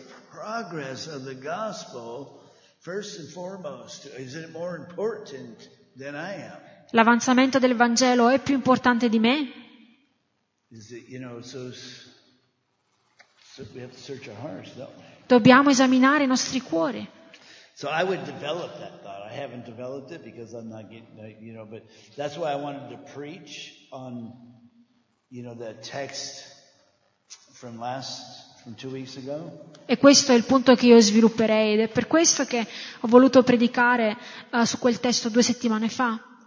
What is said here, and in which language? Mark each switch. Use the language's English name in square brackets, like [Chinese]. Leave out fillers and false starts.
[English] Progress of the gospel first and foremost, is it more important than I am? [Italian] L'avanzamento del Vangelo è più importante di me? [English] Is it, you know, so we have to search our hearts, don't we? [Italian] Dobbiamo esaminare i nostri cuori. [English] So I would develop that thought. I haven't developed it because I'm not getting, you know, but that's why I wanted to preach on, you know, that text from last. [Italian] E questo è il punto che io svilupperei, ed è per questo che ho voluto predicare su quel testo 2 settimane fa.